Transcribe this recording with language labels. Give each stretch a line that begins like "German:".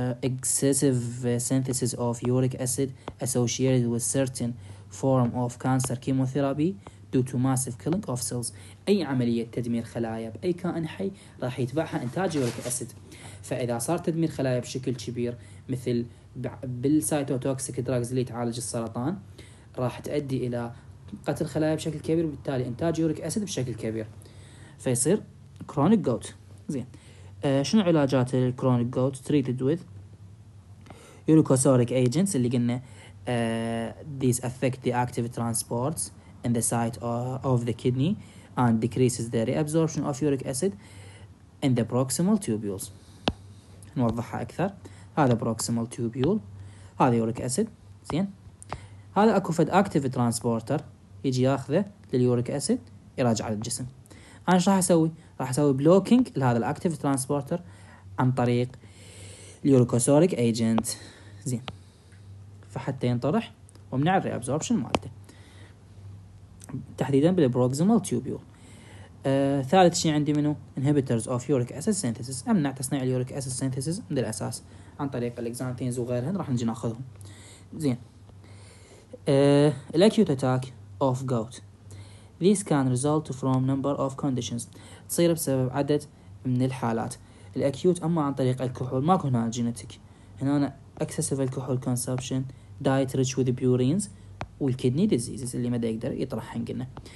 English: Excessive synthesis of uric acid associated with certain form of cancer chemotherapy due to massive killing of cells.
Arabic: أي عملية تدمير خلايا بأي كائن حي راح يتبعها إنتاج uric acid. فإذا صار تدمير خلايا بشكل كبير مثل بالسايتوتوكسيك دراجز اللي تعالج السرطان راح تؤدي إلى قتل خلايا بشكل كبير وبالتالي إنتاج uric acid بشكل كبير فيصير chronic gout. زين شنو علاجات الكرونيك جوت
English: treated with uricosuric agents اللي قلنا these affect the active transports in the site of the kidney and decreases the reabsorption of uric acid in the proximal tubules.
Arabic: نوضحها أكثر. هذا proximal tubule هذا uric acid زين. هذا أكو فد active transporter يجي ياخذه لليوريك acid يراجع على الجسم. أنا شو راح أسوي؟ راح أسوي بلوكينج لهذا الأكتيف ترانسبورتر عن طريق اليوريكوسوريك ايجنت زين فحتى ينطرح ومنع الريابزوربشن مالته تحديدا بالبروكسيمال تيوبيول. ثالث شيء عندي منه
English: inhibitors of uric acid synthesis
Arabic: امنع تصنيع اليوريك اسيد سينثيسيس من الأساس عن طريق الاكزانثينز وغيرهن راح نجي ناخذهم زين.
English: الأكيوت attack of gout These can result from number of conditions.
Arabic: تصير بسبب عدد من الحالات. الأكيوت أما عن طريق الكحول ماكو هنا جينيتيك. هنا أنا
English: excessive alcohol consumption, diet rich with purines,
Arabic: والكيدني ديزيزز اللي ما دا يقدر يطرحهن قلنا.